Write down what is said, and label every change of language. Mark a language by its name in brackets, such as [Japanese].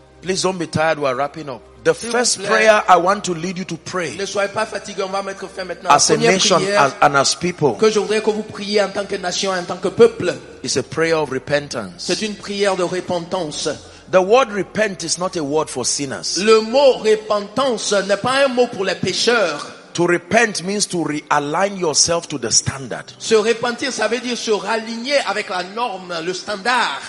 [English] Please don't be tired, we are wrapping up. The s'il first prayer I want to lead you to pray. [French] Ne soyez pas fatigué, on va mettre fin maintenant. [English] As a nation and as people. [French] Que je voudrais que vous priez en tant que nation, en tant que peuple. [English] It's a prayer of repentance. [French] C'est une prière de repentance. [English] The word repent is not a word for sinners. [French] Le mot repentance n'est pas un mot pour les pécheurs. [English] To repent means to realign yourself to the standard. [French] Se repentir, ça veut dire se raligner avec la norme, le standard.